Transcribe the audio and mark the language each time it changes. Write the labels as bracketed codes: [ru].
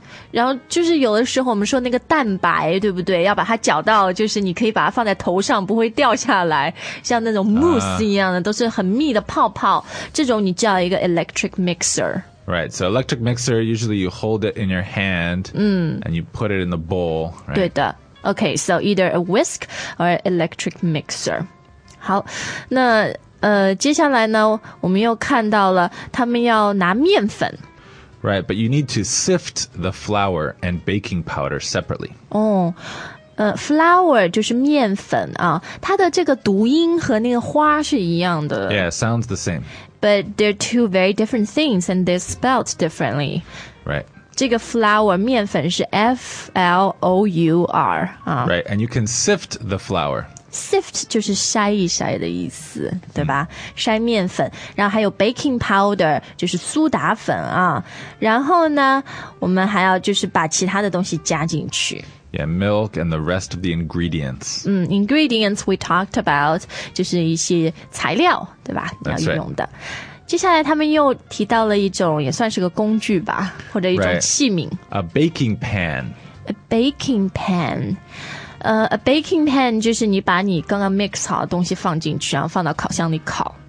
[zh] 然后就是有的时候我们说那个蛋白对不对要把它搅到就是你可以把它放在头上不会掉下来像那种 mousse 一样的、都是很密的泡泡这种你叫一个 electric mixer。 [en] Right, so electric mixer, usually you hold it in your hand and you put it in the bowl, right? [zh] 对的 [en] Okay, so either a whisk or an electric mixer. [zh] 好那、接下来呢我们又看到了他们要拿面粉 [en] Right, but you need to sift the flour and baking powder separately. [zh] Flour 就是面粉啊它的这个读音和那个花是一样的 [en] Yeah, it sounds the same. But they're two very different things, and they're spelled differently. Right. [zh] 这个 flour, 面粉是 F-L-O-U-R.、 [en] Right, and you can sift the flour. [zh] Sift 就是筛一筛的意思,对吧?筛面粉。然后还有 baking powder, 就是苏打粉啊。然后呢,我们还要就是把其他的东西加进去。 [en] Yeah, milk and the rest of the ingredients. Ingredients we talked about, [zh] 就是一些材料对吧你要用的。接下来他们又提到了一种也算是个工具吧或者一种器皿。 [en] A baking pan. A baking pan. A baking pan [zh] 就是你把你刚刚 mix 好的东西放进去然后放到烤箱里烤。